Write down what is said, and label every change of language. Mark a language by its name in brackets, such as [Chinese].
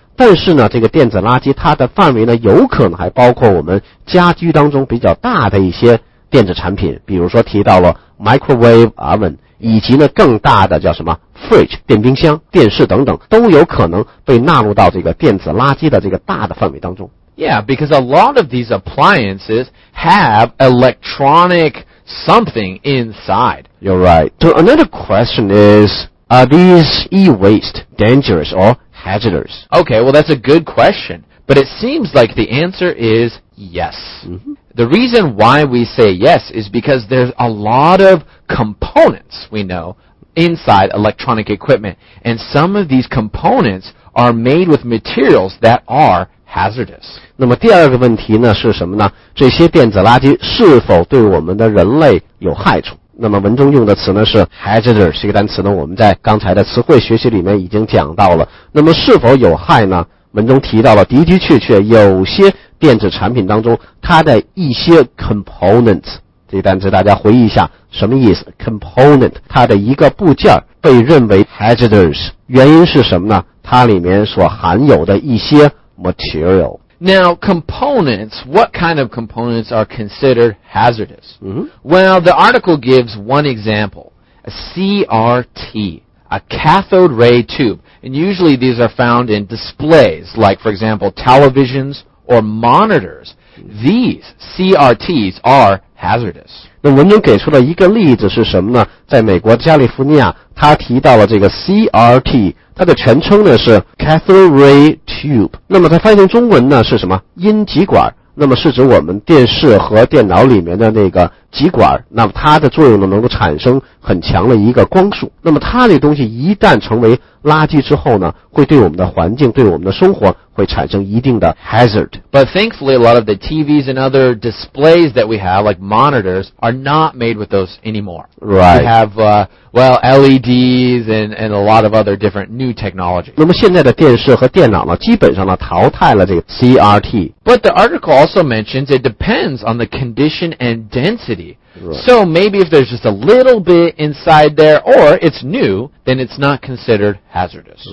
[Chinese] 但是呢，这个电子垃圾它的范围呢，有可能还包括我们家居当中比较大的一些电子产品，比如说提到了 microwave oven。以及呢更大的叫什么 fridge 电冰箱电视等等都有可能被纳入到这个电子垃圾的这个大的范围当中 [English] Yeah, because a lot of these appliances have electronic something inside You're right So another question is Are these e-waste dangerous or hazardous? Okay, well that's a good question But it seems like the answer is yes、 mm-hmm. The reason why we say yes is because there's a lot ofComponents we know inside electronic equipment, and some of these components are made with materials that are hazardous. [Chinese] 那么第二个问题呢是什么呢？这些电子垃圾是否对我们的人类有害处？那么文中用的词呢是 hazardous 这个单词呢，我们在刚才的词汇学习里面已经讲到了。那么是否有害呢？文中提到了的的确确有些电子产品当中，它的一些 components。这单词大家回忆一下什么意思 component 它的一个部件被认为 hazardous 原因是什么呢它里面所含有的一些 material [English] Now components what kind of components are considered hazardous、 mm-hmm. Well the article gives one example a CRT a cathode ray tube and usually these are found in displays like for example televisions or monitors these CRTs are hazardous [Chinese] 那文中给出了一个例子是什么呢在美国加利福尼亚他提到了这个 CRT 它的全称呢是 cathode ray tube 那么它翻译成中文呢是什么阴极管那么是指我们电视和电脑里面的那个极管那么它的作用呢能够产生很强的一个光束那么它的东西一旦成为垃圾之后呢会对我们的环境对我们的生活会产生一定的 hazard [English] But thankfully a lot of the TVs and other displays that we have like monitors are not made with those anymore Right We have LEDs and a lot of other different new technology [Chinese] 那么现在的电视和电脑呢基本上呢淘汰了这个 CRT [English] But the article also mentions it depends on the condition and density Right. So maybe if there's just a little bit inside there, or it's new, then it's not considered hazardous.